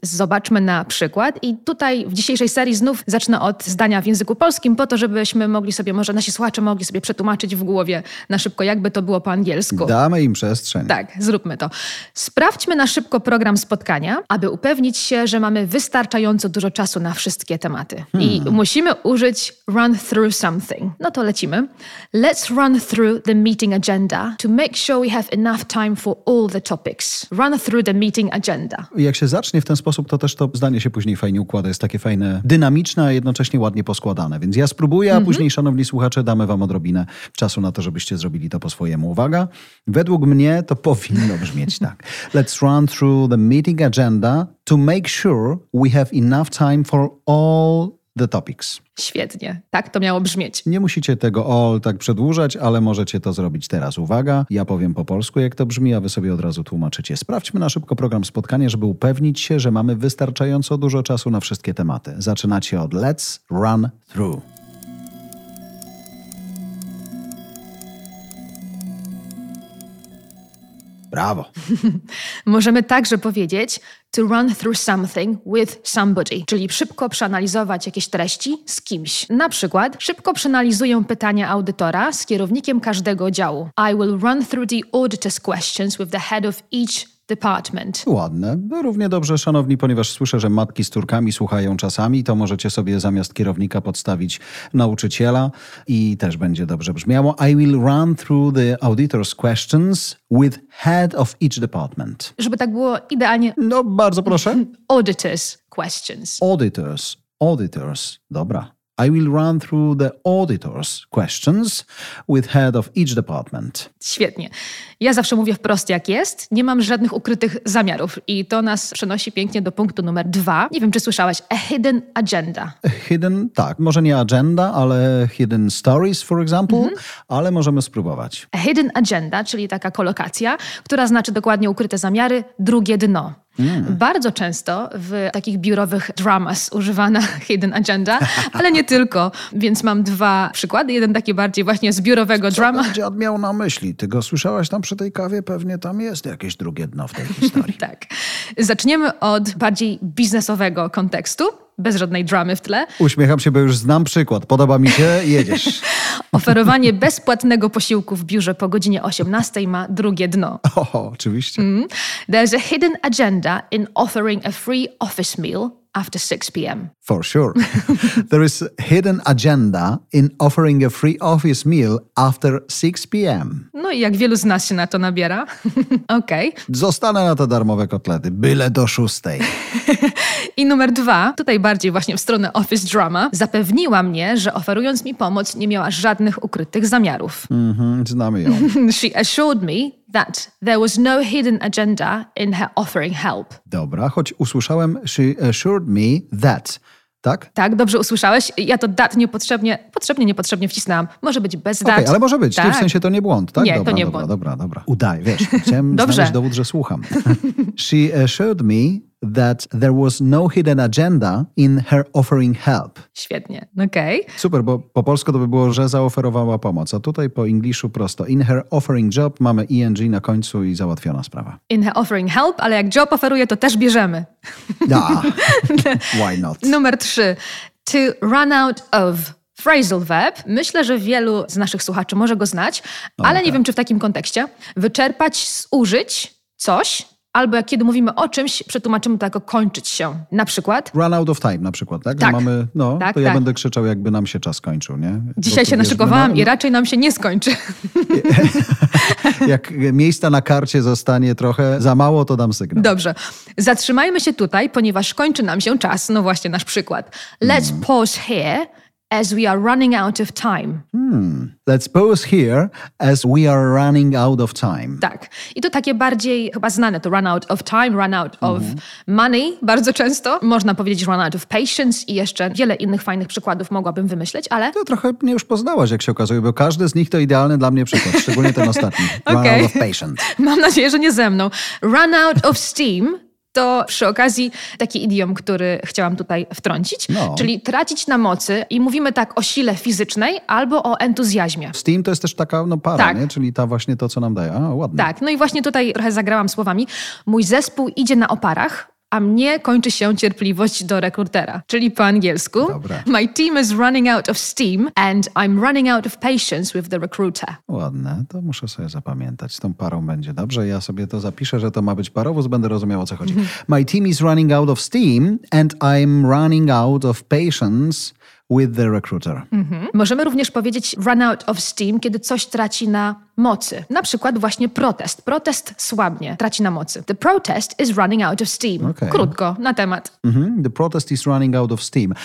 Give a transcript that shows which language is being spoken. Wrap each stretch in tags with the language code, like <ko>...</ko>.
<pl>Zobaczmy na przykład. I tutaj w dzisiejszej serii znów zacznę od zdania w języku polskim, po to, żebyśmy mogli sobie, może nasi słuchacze mogli sobie przetłumaczyć w głowie na szybko, jakby to było po angielsku. Damy im przestrzeń. Tak, zróbmy to. Sprawdźmy na szybko program spotkania, aby upewnić się, że mamy wystarczająco dużo czasu na wszystkie tematy. I musimy użyć</pl> <en>run through something.</en> <pl>No to lecimy.</pl> <en>Let's run through the meeting agenda to make sure we have enough time for all the topics. Run through the meeting agenda.</en> <pl>Jak się zacznie w ten sposób, to też to zdanie się później fajnie układa. Jest takie fajne, dynamiczne, a jednocześnie ładnie poskładane. Więc ja spróbuję, a później, szanowni słuchacze, damy wam odrobinę czasu na to, żebyście zrobili to po swojemu. Uwaga, według mnie to powinno brzmieć tak.</pl> <en>Let's run through the meeting agenda to make sure we have enough time for all the topics.</en> <pl>Świetnie, tak to miało brzmieć. Nie musicie tego all tak przedłużać, ale możecie to zrobić teraz. Uwaga, ja powiem po polsku, jak to brzmi, a wy sobie od razu tłumaczycie. Sprawdźmy na szybko program spotkania, żeby upewnić się, że mamy wystarczająco dużo czasu na wszystkie tematy. Zaczynacie od</pl> <en>let's run through.</en> <pl>Brawo. Możemy także powiedzieć</pl> <en>to run through something with somebody,</en> <pl>czyli szybko przeanalizować jakieś treści z kimś. Na przykład szybko przeanalizuję pytania audytora z kierownikiem każdego działu.</pl> <en>I will run through the auditor's questions with the head of each department.</en> <pl>Ładne. Równie dobrze, szanowni, ponieważ słyszę, że matki z córkami słuchają czasami, to możecie sobie zamiast kierownika podstawić nauczyciela i też będzie dobrze brzmiało.</pl> <en>I will run through the auditor's questions with head of each department.</en> <pl>Żeby tak było idealnie. No, bardzo proszę.</pl> <en>Auditor's questions.</en> <pl>Auditors. Dobra.</pl> <en>I will run through the auditor's questions with head of each department.</en> <pl>Świetnie. Ja zawsze mówię wprost jak jest. Nie mam żadnych ukrytych zamiarów. I to nas przenosi pięknie do punktu numer 2. Nie wiem, czy słyszałaś.</pl> <en>A hidden agenda.</en> <pl>Hidden, tak. Może nie agenda, ale</pl> <en>hidden stories, for example.</en> <pl>Mm-hmm. Ale możemy spróbować.</pl> <en>A hidden agenda,</en> <pl>czyli taka kolokacja, która znaczy dokładnie ukryte zamiary, drugie dno. Nie. Bardzo często w takich biurowych dramas używana</pl> <en>hidden agenda,</en> <pl>ale nie tylko. Więc mam dwa przykłady. Jeden taki bardziej właśnie z biurowego drama. Co dziad miał na myśli? Ty go słyszałaś tam przy tej kawie? Pewnie tam jest jakieś drugie dno w tej historii. Tak. Zaczniemy od bardziej biznesowego kontekstu, bez żadnej dramy w tle. Uśmiecham się, bo już znam przykład. Podoba mi się, jedziesz. Oferowanie bezpłatnego posiłku w biurze po godzinie 18 ma drugie dno. Oh, oczywiście. Mm.</pl> <en>There's a hidden agenda in offering a free office meal after 6 p.m. For sure. There is a hidden agenda in offering a free office meal after 6 p.m.</en> <pl>No i jak wielu z nas się na to nabiera. Okej. Okay. Zostanę na te darmowe kotlety, byle do 6. I numer 2, tutaj bardziej właśnie w stronę office drama, zapewniła mnie, że oferując mi pomoc, nie miała żadnych ukrytych zamiarów. Znamy ją.</pl> <en>She assured me that there was no hidden agenda in her offering help.</en> <pl>Dobra, choć usłyszałem,</pl> <en>she assured me that,</en> <pl>tak? Tak, dobrze usłyszałeś. Ja to that niepotrzebnie wcisnęłam. Może być bez that. Okay, ale może być. Tak. W sensie to nie błąd, tak? Nie, dobra, to nie dobra, błąd. Dobra. Udaj, wiesz, chciałem znaleźć dowód, że słucham.</pl> <en>She assured me that there was no hidden agenda in her offering help.</en> <pl>Świetnie, okej. Okay. Super, bo po polsku to by było, że zaoferowała pomoc, a tutaj po angielsku prosto.</pl> <en>In her offering job</en> <pl>mamy ing na końcu i załatwiona sprawa.</pl> <en>In her offering help,</en> <pl>ale jak job oferuje, to też bierzemy.</pl> <en>Da, why not?</en> <pl>Numer 3.</pl> <en>To run out of.</en> <pl>Phrasal verb. Myślę, że wielu z naszych słuchaczy może go znać, ale nie wiem, czy w takim kontekście. Wyczerpać, zużyć coś. Albo jak kiedy mówimy o czymś, przetłumaczymy to jako kończyć się. Na przykład?</pl> <en>Run out of time</en> <pl>na przykład, tak? Tak. Że mamy, no, tak, to ja będę krzyczał, jakby nam się czas kończył, nie? Dzisiaj się naszykowałam i raczej nam się nie skończy. Jak miejsca na karcie zostanie trochę za mało, to dam sygnał. Dobrze. Zatrzymajmy się tutaj, ponieważ kończy nam się czas. No właśnie, nasz przykład.</pl> <en>Let's pause here as we are running out of time. Let's pause here as we are running out of time.</en> <pl>Tak. I to takie bardziej chyba znane,</pl> <en>to run out of time, run out of money,</en> <pl>bardzo często. Można powiedzieć</pl> <en>run out of patience</en> <pl>i jeszcze wiele innych fajnych przykładów mogłabym wymyśleć, ale... To trochę mnie już poznałaś, jak się okazuje, bo każdy z nich to idealny dla mnie przykład, szczególnie ten ostatni. Okay.</pl> <en>Run out of patience.</en> <pl>Mam nadzieję, że nie ze mną.</pl> <en>Run out of steam...</en> <pl>To przy okazji taki idiom, który chciałam tutaj wtrącić, czyli tracić na mocy i mówimy tak o sile fizycznej albo o entuzjazmie. Steam to jest też taka para, tak. Nie? Czyli ta właśnie to, co nam daje. A, ładnie. Tak, no i właśnie tutaj trochę zagrałam słowami. Mój zespół idzie na oparach, a mnie kończy się cierpliwość do rekrutera. Czyli po angielsku. Dobra.</pl> <en>My team is running out of steam and I'm running out of patience with the recruiter.</en> <pl>Ładne, to muszę sobie zapamiętać. Z tą parą będzie dobrze. Ja sobie to zapiszę, że to ma być parowóz, będę rozumiał, o co chodzi.</pl> <en>My team is running out of steam and I'm running out of patience with the recruiter. Mm-hmm.</en> <pl>Możemy również powiedzieć</pl> <en>run out of steam,</en> <pl>kiedy coś traci na mocy. Na przykład właśnie protest. Protest słabnie, traci na mocy.</pl> <en>The protest is running out of steam.</en> <pl>Okay. Krótko, na temat. Mm-hmm.</pl> <en>The protest is running out of steam.</en>